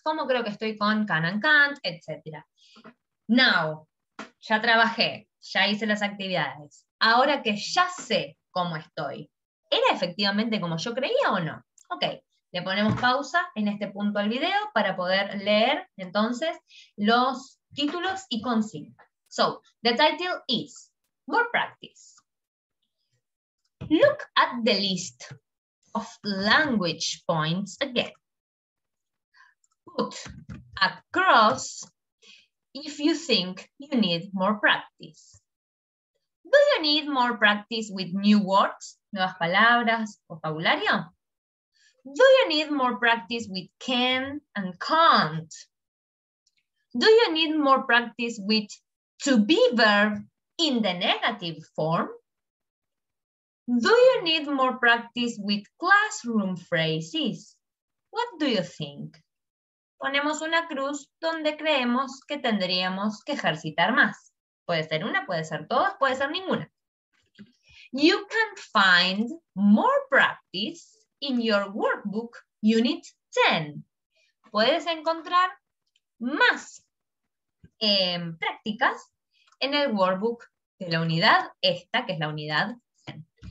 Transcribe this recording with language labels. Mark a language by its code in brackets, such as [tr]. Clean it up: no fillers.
[es] ¿Cómo creo que estoy con can and can't? Etcétera. Now, ya trabajé, ya hice las actividades. Ahora que ya sé cómo estoy, ¿era efectivamente como yo creía o no? Ok, le ponemos pausa en este punto al video para poder leer entonces los títulos y consignas. [en] So, the title is More Practice. Look at the list of language points again. Put a cross if you think you need more practice. Do you need more practice with new words, [es] nuevas palabras, vocabulario? [en] Do you need more practice with can and can't? Do you need more practice with to be verb in the negative form? Do you need more practice with classroom phrases? What do you think? [es] Ponemos una cruz donde creemos que tendríamos que ejercitar más. Puede ser una, puede ser todas, puede ser ninguna. [en] You can find more practice in your workbook unit 10. [es] Puedes encontrar más prácticas en el workbook de la unidad esta, que es la unidad 10.